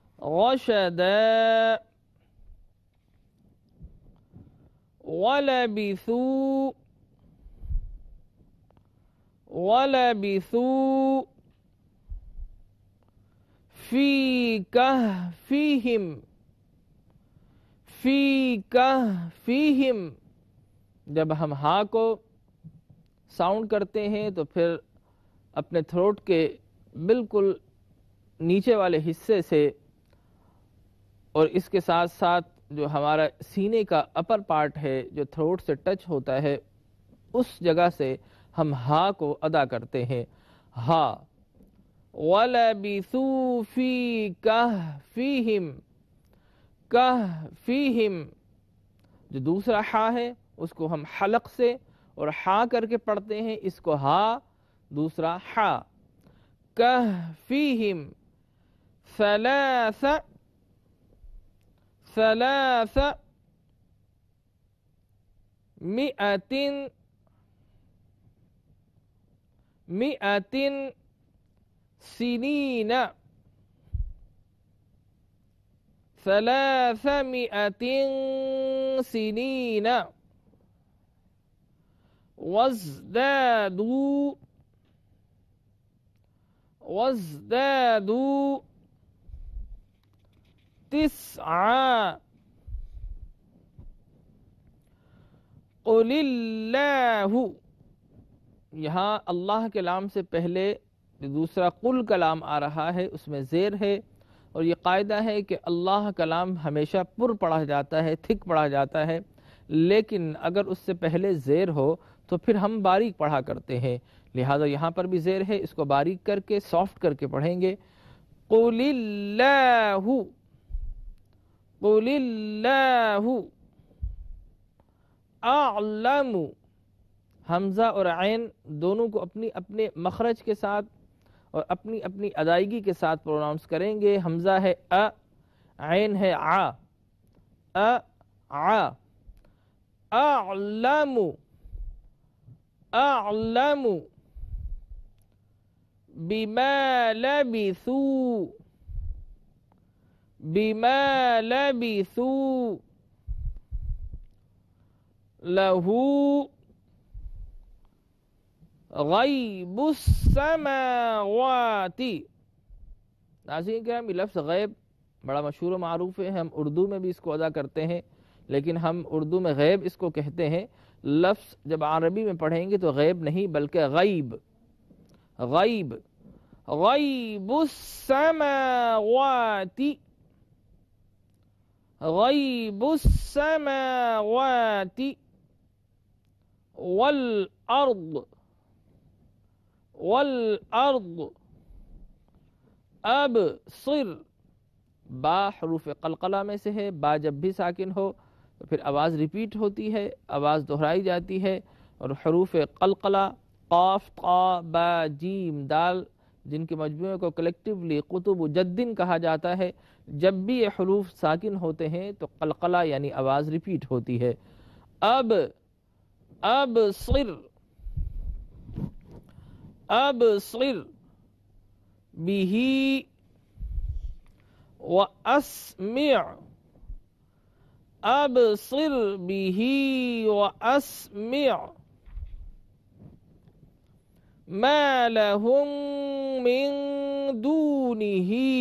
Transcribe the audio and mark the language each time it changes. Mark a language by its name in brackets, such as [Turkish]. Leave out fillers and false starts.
[Arabic] رشدا ولبثوا في كهفهم. [Urdu] جب ہم ہا کو ساؤنڈ کرتے ہیں تو پھر اپنے تھروٹ کے بالکل نیچے والے حصے سے اور اس کے ساتھ ساتھ جو ہمارا سینے کا اپر پارٹ ہے جو تھروٹ سے ٹچ ہوتا ہے اس جگہ سے ہم ہا کو ادا کرتے ہیں. ہا [Arabic] وَلَبِثُوا فِي كَهْفِهِمْ كَهْفِهِمْ [Urdu] جو دوسرا ہا ہے اس کو ہم حلق سے اور ہا کر کے پڑھتے ہیں، اس کو ہا دوسرا ہا [Arabic] كَهْفِهِمْ ثلاثة ثلاثة مئة مئة سنين ثلاثمائة سنين وازدادوا تسعة قل الله. [Urdu] یہاں اللہ کے کلام سے پہلے جو دوسرا قل کلام آ رہا ہے اس میں زیر ہے، اور یہ قاعدہ ہے کہ اللہ کلام ہمیشہ پر پڑھا جاتا ہے، تھک پڑھا جاتا ہے، لیکن اگر اس سے پہلے زیر ہو تو پھر ہم باریک پڑھا کرتے ہیں، لہذا یہاں پر بھی زیر ہے، اس کو باریک کر کے سافٹ کر کے پڑھیں گے. [Arabic] قل اللہ قل اللہ اعلم. [Urdu] حمزہ اور عین دونوں کو اپنی اپنے مخرج کے ساتھ اور اپنی اپنی ادائیگی کے ساتھ پروناؤنس کریں گے. حمزہ ہے ا، عین ہے آ. [Arabic] اعلم اعلم بما لبثوا بما لبثوا له غیب السماوات. [Urdu] ناظرین کرام، یہ لفظ غیب بڑا مشہور و معروف ہے، ہم اردو میں بھی اس کو ادا کرتے ہیں، لیکن ہم اردو میں غیب اس کو کہتے ہیں. لفظ جب عربی میں پڑھیں گے تو غیب نہیں بلکہ غیب غیب. [Arabic] غیب السماوات غیب السماوات والأرض والأرض أبصر. [Urdu] با حروف قلقلہ میں سے ہے، با جب بھی ساکن ہو تو پھر آواز ریپیٹ ہوتی ہے، آواز دہرائی جاتی ہے، اور حروف قلقلہ قاف قا با جیم دال جن کے مجموعے کو کلیکٹیولی قطب جدین کہا جاتا ہے، جب بھی یہ حروف ساکن ہوتے ہیں تو قلقلہ یعنی آواز ریپیٹ ہوتی ہے. [Arabic] اب أبصر أبصر به وأسمع أبصر به وأسمع ما لهم من دونه